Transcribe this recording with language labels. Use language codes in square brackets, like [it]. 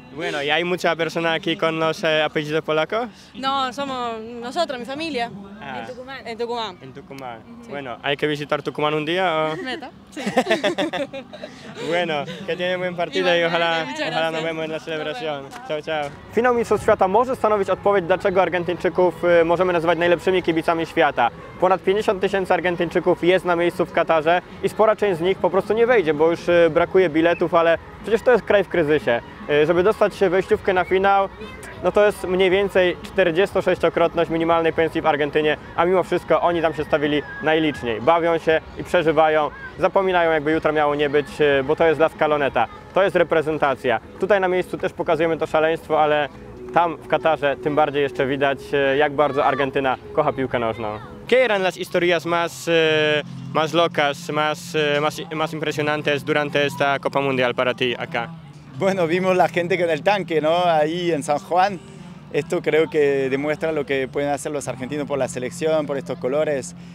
[es] Bueno, ¿y hay mucha persona aquí con los apellidos polacos? No, somos nosotros, mi familia. Ah. En Tucumán. En Tucumán. En Tucumán. Sí. Bueno, ¿hay que visitar Tucumán un día o...? Meta, sí. Bueno, que tiene buen partido y ojalá, ojalá nos vemos en la celebración. Chao, chao. [pl] Finał Mistrzostw Świata może stanowić odpowiedź, dlaczego Argentyńczyków możemy nazywać najlepszymi kibicami świata. Ponad 50 tysięcy Argentyńczyków jest na miejscu w Katarze i spora część z nich po prostu nie wejdzie, bo już brakuje biletów, ale przecież to jest kraj w kryzysie. Żeby dostać się wejściówkę na finał, no to jest mniej więcej 46-krotność minimalnej pensji w Argentynie, a mimo wszystko oni tam się stawili najliczniej. Bawią się i przeżywają, zapominają jakby jutro miało nie być, bo to jest La Scaloneta, to jest reprezentacja. Tutaj na miejscu też pokazujemy to szaleństwo, ale tam w Katarze tym bardziej jeszcze widać, jak bardzo Argentyna kocha piłkę nożną. [es] ¿Qué eran las historias más locas, más impresionantes durante esta Copa Mundial para ti acá? Bueno, vimos la gente con el tanque, ¿no? Ahí en San Juan. Esto creo que demuestra lo que pueden hacer los argentinos por la selección, por estos colores.